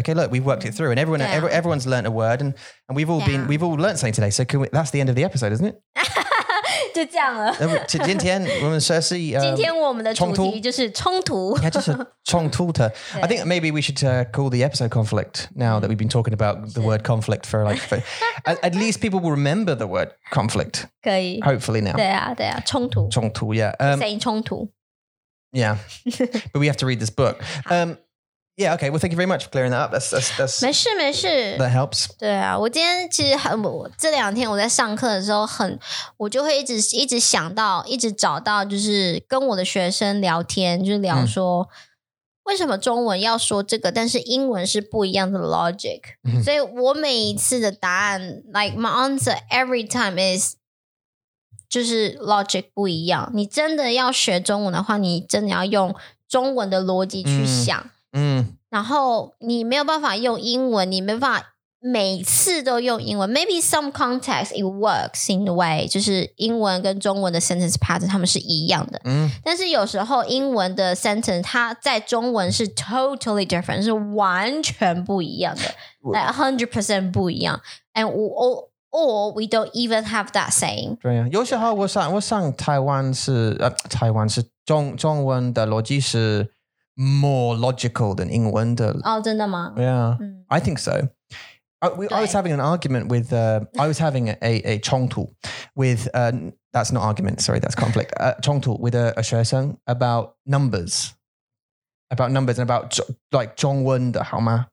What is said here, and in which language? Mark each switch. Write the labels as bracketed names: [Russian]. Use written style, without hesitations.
[English] Okay, look, we've worked it through and everyone's learned a word and we've all learned something today. So that's the end of the episode, isn't it? [Chinese] 就这样了。今天我们说是今天我们的主题就是冲突。 Yeah, 就是冲突的。 [English] I think maybe we should call the episode conflict now that we've been talking about the word conflict for at least people will remember the word conflict. [Chinese] 可以。 [English] Hopefully now. [Chinese] 对啊对啊冲突。冲突 yeah. 谁冲突。 [English] Yeah. But we have to read this book. Yeah, okay. Well, thank you very much for clearing that up. That's [Chinese] 没事没事。 [English] That helps. [Chinese] 对啊，我今天其实这两天我在上课的时候我就会一直想到，一直找到，就是跟我的学生聊天，就是聊说为什么中文要说这个，但是英文是不一样的 logic。所以我每一次的答案 ， [English] like my answer every time is， [Chinese] 就是 logic 不一样。你真的要学中文的话，你真的要用中文的逻辑去想。然后你没有办法用英文，你没办法每次都用英文。 [English] Maybe some context it works in a way， [Chinese] 就是英文跟中文的 sentence pattern 它们是一样的。但是有时候英文的 sentence 它在中文是 [English] totally different， [Chinese] 是完全不一样的 ，like 100% 不一样。 [English] And or we don't even have that saying。 [Chinese] 对呀，有时候我上台湾是中文的逻辑是。 [English] More logical than 英文的。 [Chinese] 哦，真的吗？ [English] Yeah, I think so. I was having an argument with, I was having a 冲突 with, that's not argument, sorry, that's conflict, 冲突 with a 学生 about numbers and about like 中文的好吗?